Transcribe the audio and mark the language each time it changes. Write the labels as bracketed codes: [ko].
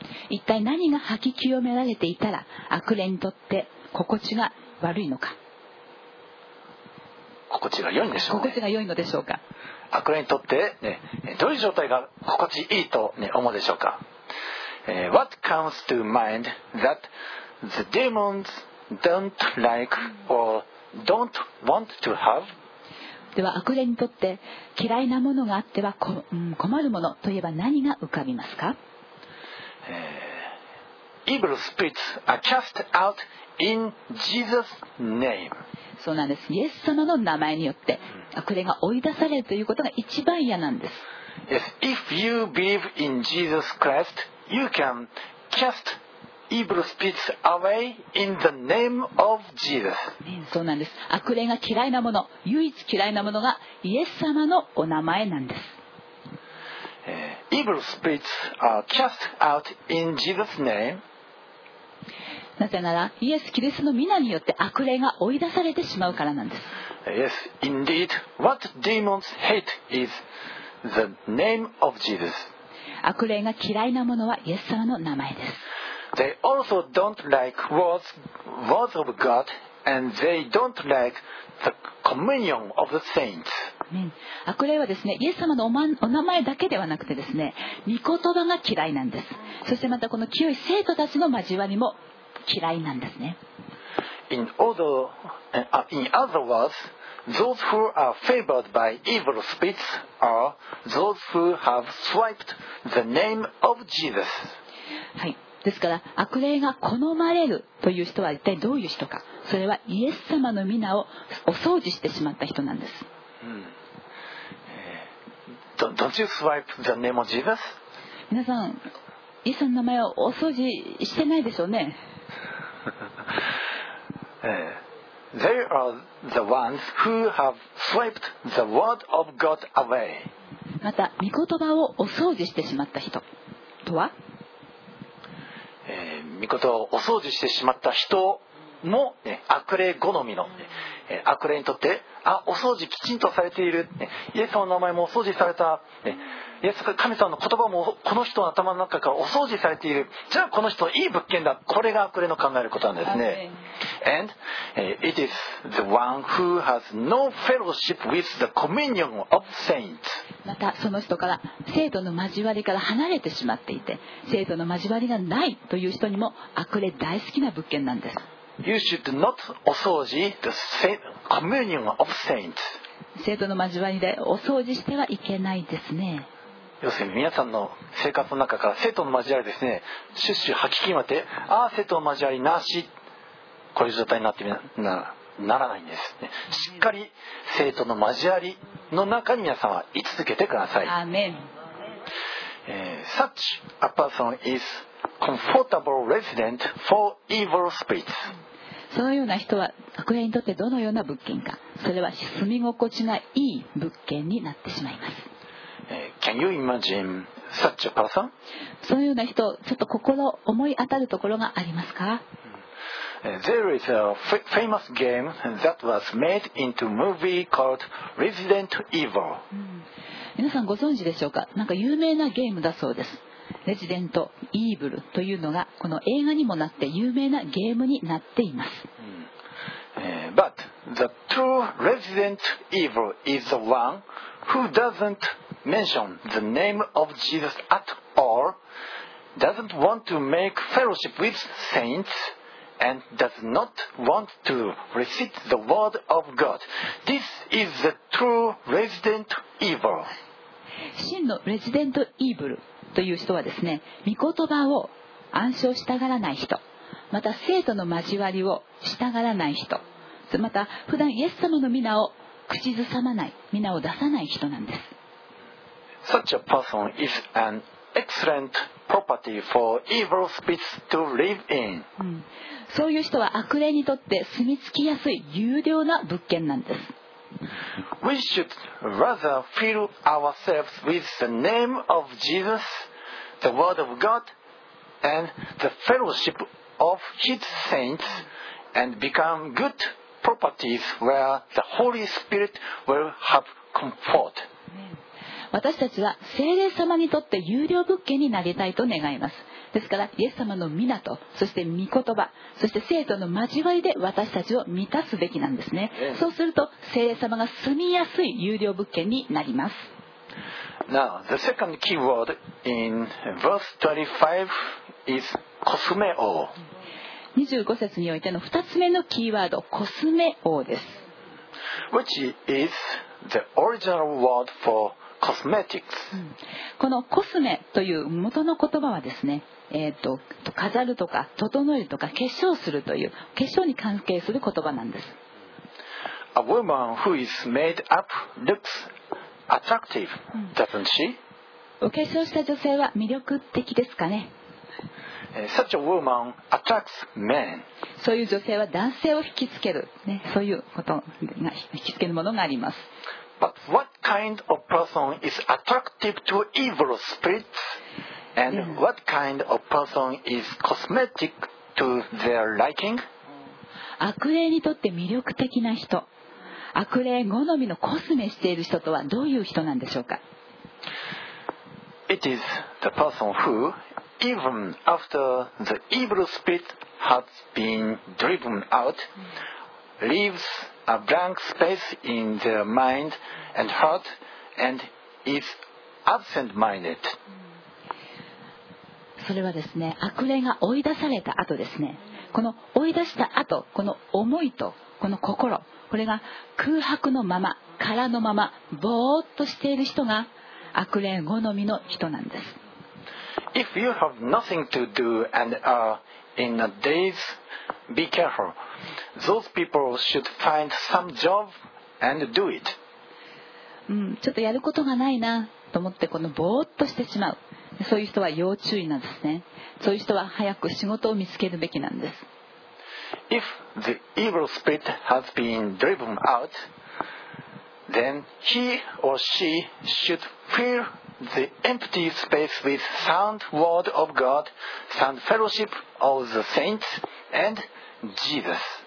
[ja] 一体何が吐き清められていたら悪霊にとって心地が悪いのか。心地が良いんでしょうね。心地が良いのでしょうか。悪霊にとって、ね、どういう状態が心地いいと、ね、思うでしょうか。 [en] What comes to mind that the demons don't like or don't want to have? [ja] では悪霊にとって嫌いなものがあっては困るものといえば何が浮かびますか。 [en] evil spirits are cast out in Jesus' name. [ja] そうなんです。イエス様の名前によって、これが追い出されるということが一番嫌なんです。 [en] Yes, if you believe in Jesus Christ, you can cast evil spirits away in the name of Jesus. [ja] そうなんです。悪霊が嫌いなもの、唯一嫌いなものがイエス様のお名前なんです。 [en] Evil spirits are cast out in Jesus' name. [ja] なぜならイエス・キリストの御名によって悪霊が追い出されてしまうからなんです。 [en] Yes, indeed. What demons hate is the name of Jesus. [ja] 悪霊が嫌いなものはイエス様の名前です。 [en] They also don't like words of God, and they don't like the communion of the saints. [ja] 悪霊はですね、イエス様のお名前だけではなくてですね、御言葉が嫌いなんです。そしてまたこの清い聖徒たちの交わりも嫌いなんですね。 [en] in other words, those who are favored by evil spirits are those who have swiped the name of Jesus. [ja] はい、ですから悪霊が好まれるという人は一体どういう人か。それはイエス様の御名をお掃除してしまった人なんです。 [en] Don't you swipe the name of Jesus? [ja] 皆さん、イエスの名前をお掃除してないでしょうね。 [en] They are the ones who have swiped the word of God away. [ja] また、御言葉をお掃除してしまった人とは？御言葉をお掃除してしまった人も、悪霊好みの、悪霊にとってお掃除きちんとされている、イエス様の名前もお掃除された、イエス様、神様の言葉もこの人の頭の中からお掃除されている、じゃあこの人いい物件だ、これが悪霊の考えることなんですね。 [en] And it is the one who has no fellowship with the communion of saints. [ja] またその人から聖徒の交わりから離れてしまっていて、聖徒の交わりがないという人にも悪霊大好きな物件なんです。 [en] You should not お掃除 the communion of saints. [ja] 聖徒の交わりでお掃除してはいけないですね。要するに皆さんの生活の中から聖徒の交わりですね、シュッシュ吐き気まって、ああ聖徒の交わりなし、こういう状態になってみな、ならないんです、ね、しっかり聖徒の交わりの中に皆さんは居続けてください。アメン。 [en] Such a person isComfortable resident for evil spirits. [ja] そのような人は悪霊にとってどのような物件か。それは住み心地がいい物件になってしまいます。 [en] Can you imagine such a person? [ja] そのような人、ちょっと心思い当たるところがありますか。 [en] There is a famous game that was made into a movie called Resident Evil. [ja] 皆さんご存知でしょうか。なんか有名なゲームだそうです。レジデントイーブルというのがこの映画にもなって有名なゲームになっています。 [en] But the true resident evil is the one who doesn't mention the name of Jesus at all, doesn't want to make fellowship with saints, and does not want to recite the word of God. This is the true resident evil. [ja] 真のレジデントイーブルという人はですね、御言葉を暗唱したがらない人、また聖徒の交わりをしたがらない人、また普段イエス様の御名を口ずさまない、御名を出さない人なんです。 [en] Such a person is an excellent property for evil spirits to live in. [ja] そういう人は悪霊にとって住み着きやすい優良な物件なんです。 [en] We should rather fill ourselves with the name of Jesus, the word of God, and the fellowship of His saints, and become good properties where the Holy Spirit will have comfort. [ja] 私たちは聖霊様にとって優良物件になりたいと願います。ですからイエス様の御名と、そして御言葉、そして聖徒の交わりで私たちを満たすべきなんですね。そうすると聖霊様が住みやすい有料物件になります。 [en] Now the second key word in verse 25 is cosmeo. [ja] 25節においての2つ目のキーワード、コスメ王です。 [en] Which is the original word for cosmetics. [ja] このコスメという元の言葉はですね、飾るとか整えるとか化粧するという化粧に関係する言葉なんです。 [en] A woman who is made up looks attractive, doesn't she? [ja] お化粧した女性は魅力的ですかね。 [en] Such a woman attracts men. [ja] そういう女性は男性を引きつける、ね、そういうことが引きつけるものがあります。 [en] But what kind of person is attractive to evil spirits? And what kind of person is cosmetic to their liking? [ja] 悪霊にとって魅力的な人、悪霊好みのコスメしている人とはどういう人なんでしょうか。 [en] It is the person who, even after the evil spirit has been driven out, leaves a blank space in their mind and heart and is absent-minded. [ja] それはですね、悪霊が追い出された後ですね。この追い出した後、この思いとこの心、これが空白のまま、空のまま、ぼーっとしている人が悪霊好みの人なんです。 [en] If you have nothing to do and are in a daze, be careful. Those people should find some job and do it. [ja] ちょっとやることがないなと思ってこのぼーっとしてしまう。そういう人は要注意なんですね。そういう人は早く仕事を見つけるべきなんです。 [en] If the evil spirit has been driven out, then he or she should fill the empty space with sound word of God, sound fellowship of the saints and Jesus.